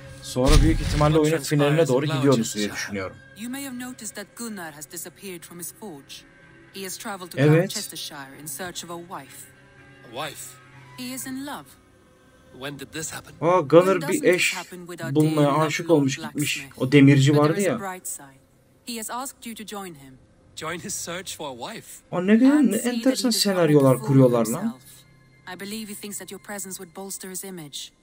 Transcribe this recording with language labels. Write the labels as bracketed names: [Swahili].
[Turkish] Sonra büyük ihtimalle oyunun finaline doğru gidiyoruz diye düşünüyorum. [English] You may have noticed that Gunnar has disappeared from his forge. He has traveled to Gloucestershire in search of a wife. A wife. He is in love. When did this happen? [Turkish] Oh, Gunnar bir eş bulmaya aşık olmuş gitmiş. O demirci vardı ya. [English] He has asked you to join him. Join his search for a wife. [Turkish] O ne güzel, ne enteresan senaryolar kuruyorlar lan. [English] I believe he thinks that your presence would bolster his image.